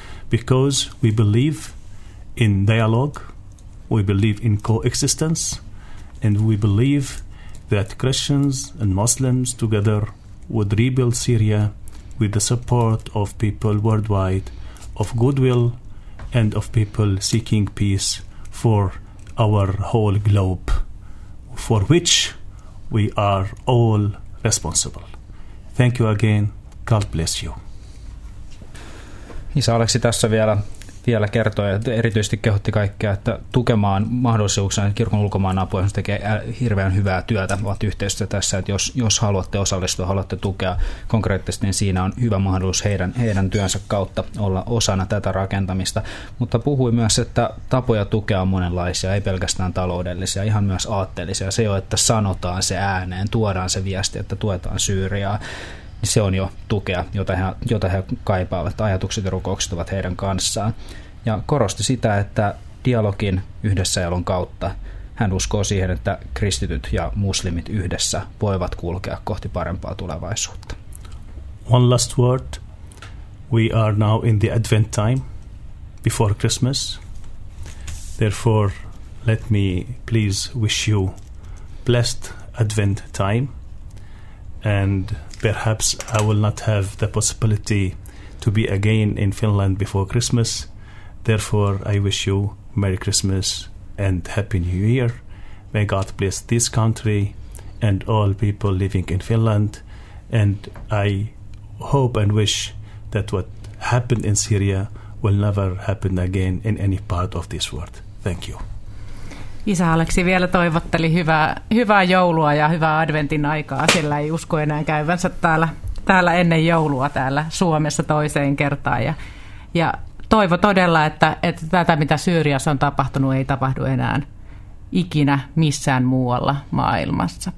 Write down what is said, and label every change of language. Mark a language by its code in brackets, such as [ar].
[en] Because we believe in dialogue, we believe in coexistence, and we believe that Christians and Muslims together would rebuild Syria with the support of people worldwide, of goodwill, and of people seeking peace for our whole globe, for which we are all responsible. Thank you again. God bless you. [fi] Isä Aleksi tässä vielä kertoi ja erityisesti kehotti kaikkea, että tukemaan mahdollisuuksia kirkon ulkomaan apua, jos tekee hirveän hyvää työtä, vaan yhteistyötä tässä, että jos haluatte osallistua, haluatte tukea konkreettisesti, niin siinä on hyvä mahdollisuus heidän työnsä kautta olla osana tätä rakentamista. Mutta puhui myös, että tapoja tukea on monenlaisia, ei pelkästään taloudellisia, ihan myös aatteellisia. Se jo, että sanotaan se ääneen, tuodaan se viesti, että tuetaan Syyriaa. Se on jo tukea, jota he kaipaavat. Ajatukset ja rukoukset ovat heidän kanssaan. Ja korosti sitä, että dialogin yhdessäjelon kautta hän uskoo siihen, että kristityt ja muslimit yhdessä voivat kulkea kohti parempaa tulevaisuutta. [en] One last word. We are now in the Advent time before Christmas. Therefore, let me please wish you blessed Advent time. And perhaps I will not have the possibility to be again in Finland before Christmas. Therefore, I wish you Merry Christmas and Happy New Year. May God bless this country and all people living in Finland. And I hope and wish that what happened in Syria will never happen again in any part of this world. Thank you. [fi] Isä Aleksi vielä toivotteli hyvää joulua ja hyvää adventin aikaa, sillä ei usko enää käyvänsä täällä ennen joulua täällä Suomessa toiseen kertaan. Ja toivo todella, että tätä mitä Syyriassa on tapahtunut ei tapahdu enää ikinä missään muualla maailmassa.